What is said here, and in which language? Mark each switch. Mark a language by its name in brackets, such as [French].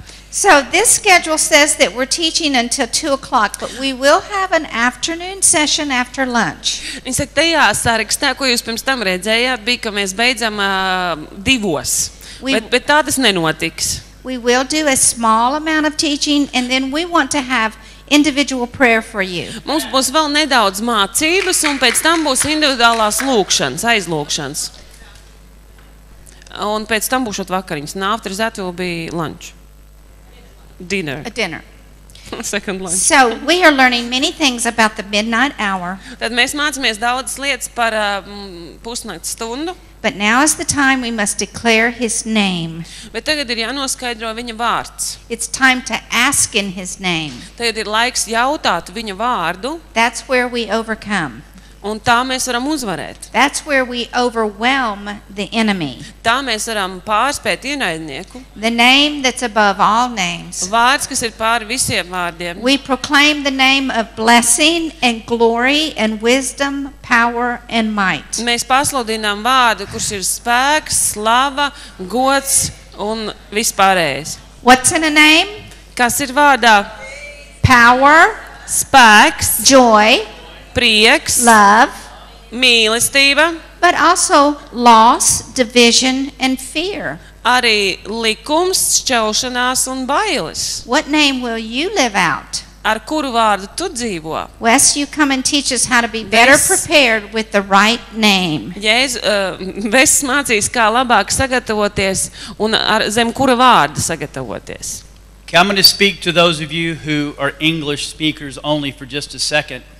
[English] So this schedule says that we're teaching until 2 o'clock, but we will have an afternoon session after lunch. [Latvian] Viņa saka, tajā sarakstā, ko jūs pirms tam redzējāt, bija, ka mēs beidzam divos. Bet tā tas nenotiks. [English] We will do a small amount of teaching and then we want to have individual prayer for you. [Latvian] Mums būs vēl nedaudz mācības un pēc tam būs individuālās lūkšanas, aizlūkšanas. Un pēc tam būšot vakariņas. [English] Un after that will be lunch. Dinner. A dinner. Second lunch. So we are learning many things about the midnight hour. [Latvian] Tad mēs mācāmies daudzas lietas par pusnakts stundu. [English] But now is the time we must declare his name. [Latvian] Bet tagad ir jānoskaidro viņa vārds. [English] It's time to ask in his name. [Latvian] Tagad ir laiks jautāt viņa vārdu. [English] That's where we overcome. [Latvian] Un tā mēs varam uzvarēt. [English] That's where we overwhelm the enemy. [Latvian] Tā mēs varam pārspēt ienaidnieku. [English] The name that's above all names. [Latvian] Vārds, kas ir pāri visiem vārdiem. [English] We proclaim the name of blessing and glory and wisdom, power and might. [Latvian] Mēs pasludinām vārdu, kurš ir spēks, slava, gods un vispārējais. [English] What's in a name? [Latvian] Kas ir vārdā? [English] Power. [Latvian] Spēks. [English] Joy. [Latvian] Prieks, [English] love, [Latvian] mīlestība, [English] but also loss, division and fear. [Latvian] Arī likums, šķelšanās un bailes. [English] What name will you live out? [Latvian] Ar kuru vārdu tu dzīvo? [English] Wes, you come and teach us how to be better prepared with the right name. [Latvian] Jēzus, Wes mācīs, kā labāk sagatavoties un ar zem kura vārdu sagatavoties. [English] Okay, I'm going to speak to those of you who are English speakers only for just a second.